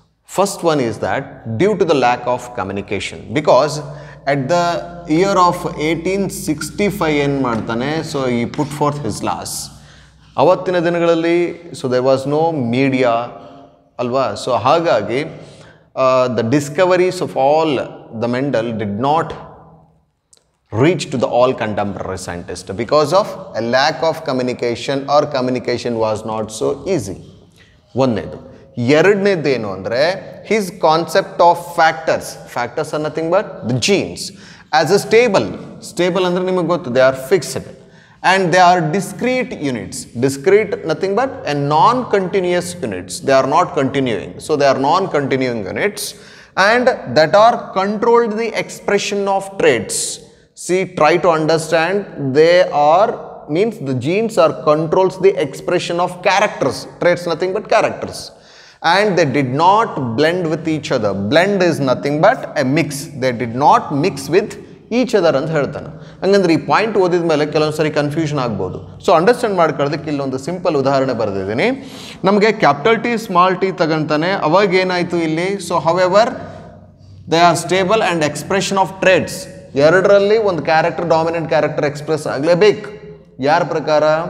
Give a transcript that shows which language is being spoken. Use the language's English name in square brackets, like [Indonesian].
[English] First one is that due to the lack of communication, because at the year of 1865 [Kannada] en martane, [English] so he put forth his laws [Kannada] avattina dinagalalli, [English] so there was no media alva, so hagagi the discoveries of all the Mendel did not reach to the all contemporary scientists because of a lack of communication, or communication was not so easy. [Kannada] ಒಂದನೇದು. ಎರಡನೇದು ಏನು ಅಂದರೆ [English] His concept of factors, factors are nothing but the genes as a stable. Stable [Kannada] ಅಂದರೆ ನಿಮಗೆ ಗೊತ್ತು, [English] They are fixed and they are discrete units. Discrete nothing but a non continuous units, they are not continuing. So they are non continuing units and that are controlled the expression of traits. See, try to understand, they are means the genes are controls the expression of characters, traits nothing but characters, and they did not blend with each other. Blend is nothing but a mix. They did not mix with each other [Kannada] ಅಂತ ಹೇಳ್ತಾನೆ. ಹಂಗಂದ್ರೆ ಈ point ಓದಿದ ಮೇಲೆ ಕೆಲವೊಂದು ಸರಿ confusion ಆಗ್ಬೋದು. So understand ಮಾಡ್ಕೊಳ್ಳೋದಕ್ಕೆ ಇಲ್ಲೊಂದು ಸಿಂಪಲ್ ಉದಾಹರಣೆ ಬರೆದಿದ್ದೀನಿ. ನಮಗೆ ಕ್ಯಾಪಿಟಲ್ ಟಿ ಸ್ಮಾಲ್ ಟಿ ತಗೊಂತಾನೆ, ಅವಾಗ ಏನಾಯಿತು ಇಲ್ಲಿ? [English] so however they are stable and expression of traits, [Kannada] ಎರಡರಲ್ಲಿ ಒಂದು ಕ್ಯಾರೆಕ್ಟರ್, ಡಾಮಿನೆಂಟ್ ಕ್ಯಾರೆಕ್ಟರ್ ಎಕ್ಸ್ಪ್ರೆಸ್ ಆಗಲೇಬೇಕು. ಯಾರ ಪ್ರಕಾರ?